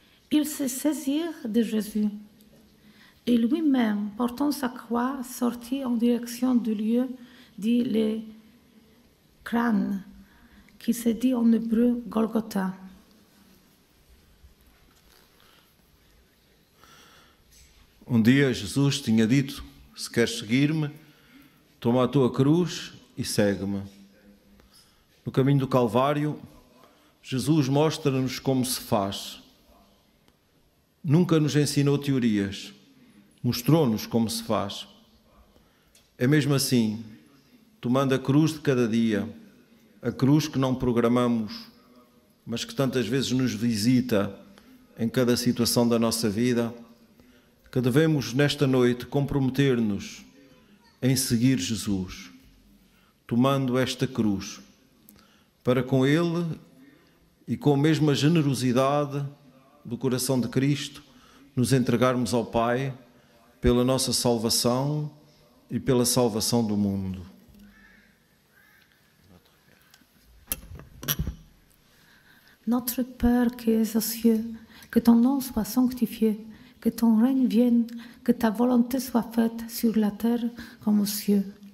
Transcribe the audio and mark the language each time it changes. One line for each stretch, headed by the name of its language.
French: Ils se saisirent de Jésus, et lui-même, portant sa croix, sortit en direction du lieu dit les crânes, qui se dit en hébreu Golgotha.
Portuguese: Un dia, Jésus tinha dit: Se queres seguir-me, toma a tua cruz e segue-me. No caminho do Calvário, Jesus mostra-nos como se faz. Nunca nos ensinou teorias, mostrou-nos como se faz. É mesmo assim, tomando a cruz de cada dia, a cruz que não programamos, mas que tantas vezes nos visita em cada situação da nossa vida, que devemos nesta noite comprometer-nos em seguir Jesus, tomando esta cruz, para com Ele e com a mesma generosidade do coração de Cristo nos entregarmos ao Pai pela nossa salvação e pela salvação do mundo.
French: Notre Père qui es aux cieux, que ton nom soit sanctifié, que ton règne vienne, que ta volonté soit faite sur la terre comme aux cieux.